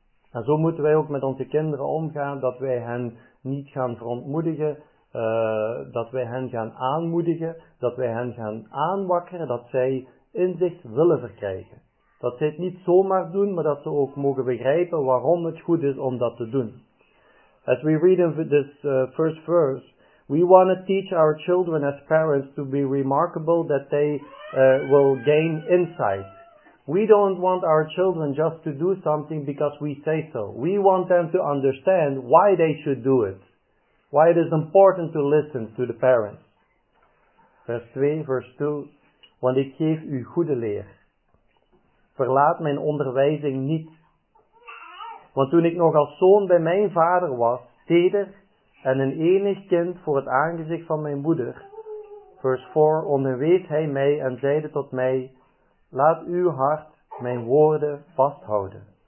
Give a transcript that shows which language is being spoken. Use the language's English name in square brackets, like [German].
[Dutch] En zo moeten wij ook met onze kinderen omgaan, dat wij hen niet gaan verontmoedigen, dat wij hen gaan aanmoedigen, dat wij hen gaan aanwakkeren, dat zij inzicht willen verkrijgen. Dat zij het niet zomaar doen, maar dat ze ook mogen begrijpen waarom het goed is om dat te doen. [English] As we read in this first verse, we want to teach our children as parents to be remarkable that they will gain insight. We don't want our children just to do something because we say so. We want them to understand why they should do it. Why it is important to listen to the parents. [Dutch] Vers 2, [English] verse 2. [Dutch] Want ik geef u goede leer. Verlaat mijn onderwijzing niet. Want toen ik nog als zoon bij mijn vader was, teder, en een enig kind voor het aangezicht van mijn moeder, vers 4, onderwees hij mij en zeide tot mij, laat uw hart mijn woorden vasthouden.